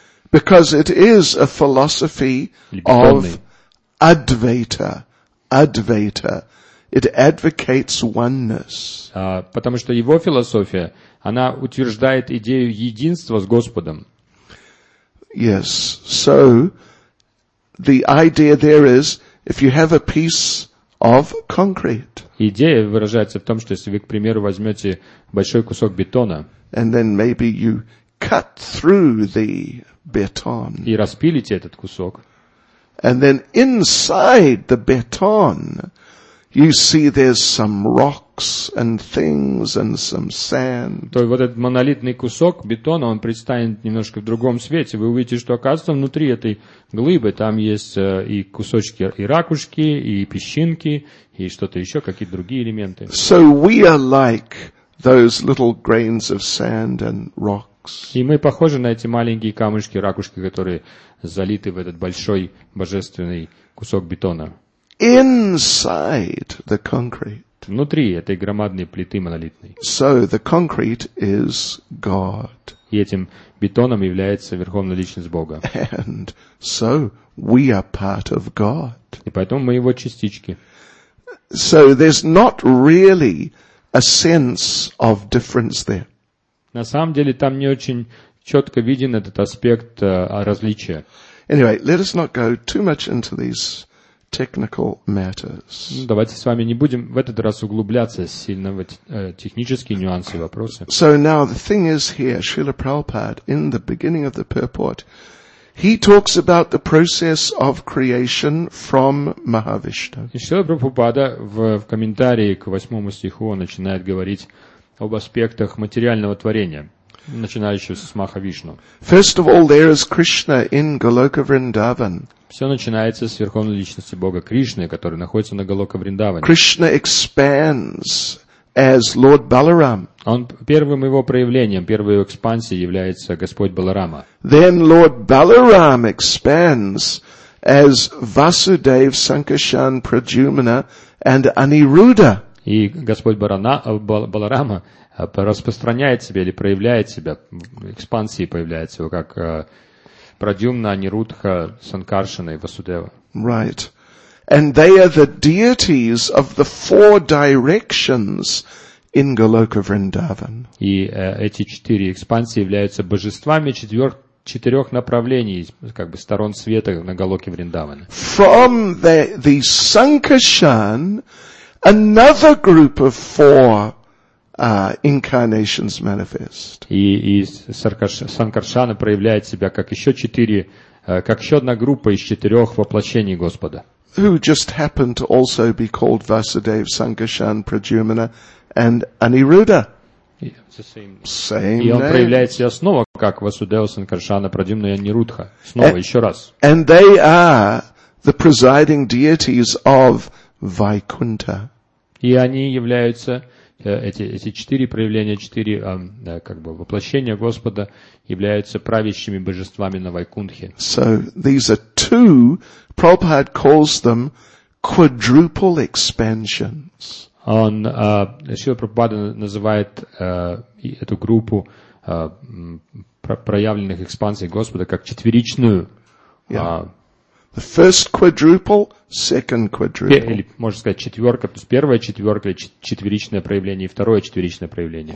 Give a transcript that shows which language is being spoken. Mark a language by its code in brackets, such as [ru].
[en] Because it is a philosophy of Advaita. Advaita. It advocates oneness. [ru] Потому что его философия, она утверждает идею единства с Господом. [en] Yes. So, the idea there is, if you have a piece of concrete. [ru] Идея выражается в том, что если вы, к примеру, возьмете большой кусок бетона. [en] And then maybe you cut through the beton. [ru] И распилите этот кусок. [en] And then inside the beton, you see there's some rocks and things and some sand. [ru] То есть вот этот монолитный кусок бетона, он предстанет немножко в другом свете. Вы увидите, что оказывается внутри этой глыбы там есть и кусочки, и ракушки, и песчинки, и что-то еще, какие-то другие элементы. [en] So we are like those little grains of sand and rock. [ru] И мы похожи на эти маленькие камушки, ракушки, которые залиты в этот большой божественный кусок бетона. [en] Inside the concrete. [ru] Внутри этой громадной плиты монолитной. [en] So the concrete is God. [ru] И этим бетоном является Верховная Личность Бога. [en] And so we are part of God. [ru] И поэтому мы его частички. [en] So there's not really a sense of difference there. [ru] На самом деле там не очень четко виден этот аспект различия. [en] Anyway, let us not go too much into these technical matters. [ru] Ну, давайте с вами не будем в этот раз углубляться сильно в эти технические нюансы и вопросы. [en] So now the thing is here, Srila Prabhupada, in the beginning of the purport, he talks about the process of creation from Mahavishnu. [ru] И Шрила Прабхупада в комментарии к 8 стиху начинает говорить об аспектах материального творения, начинающегося с Махавишну. [en] First of all, there is Krishna in Goloka Vrindavan. [ru] Все начинается с Верховной Личности Бога Кришны, который находится на Голока Вриндаване. [en] Krishna expands as Lord Balaram. [ru] Он первым его проявлением, первой его экспансией является Господь Баларама. [en] Then Lord Balaram expands as Vasudev, Sankarshan, Pradyumna and Aniruddha. [ru] И Господь Баларама распространяет себя или проявляет себя, экспансии появляется его, как Прадюмна, Анирудха, Санкаршана и Васудева. [en] Right. And they are the deities of the four directions in Goloka Vrindavan. [ru] И эти четыре экспансии являются божествами четырех направлений, как бы сторон света на Голоке Вриндаване. [en] From the Sankarshan, another group of four incarnations manifest. [ru] И Санкаршана проявляет себя как еще одна группа из четырех воплощений Господа. [en] who just happened to also be called Vasudev, Sankarshan, Pradyumna, and Aniruddha. Same name. [ru] И он проявляет себя снова как Васудева, Санкаршана, Прадюмна и Анирудха. Снова, еще раз. [en] And they are the presiding deities of Vaikuntha. [ru] И они являются, эти четыре проявления, четыре как бы воплощения Господа, являются правящими божествами на Вайкунтхе. [en] So these are two, Prabhupada calls them quadruple expansions. [ru] Он, Шрила Прабхупада называет эту группу проявленных экспансий Господа как четверичную. [en] The first quadruple, second quadruple. [ru] Или, можно сказать, четверка, то есть первая четверка, четверичное проявление, и второе четверичное проявление.